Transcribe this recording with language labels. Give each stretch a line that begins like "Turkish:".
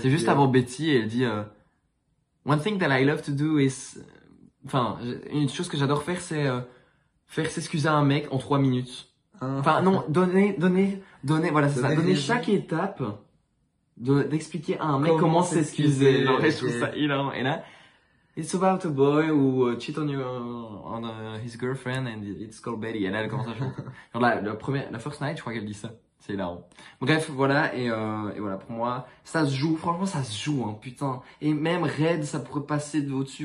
French: C'est juste avant Betty, et elle dit,
English: One thing that I love to do is.
French: Enfin, une chose que j'adore faire, c'est faire s'excuser à un mec en 3 minutes. Enfin, non, donner, voilà, c'est ça. Donner chaque étape d'expliquer à un mec comment s'excuser. Non, je trouve ça hilarant. Et là,
English: it's about a boy who cheat on you on his girlfriend and it's called Betty.
French: Et là, elle commence à chanter. La
English: first night,
French: je crois qu'elle dit ça. C'est hilarant. Bref, voilà, et voilà, pour moi, ça se joue. Franchement, ça se joue, hein, putain. Et même Red, ça pourrait passer au-dessus.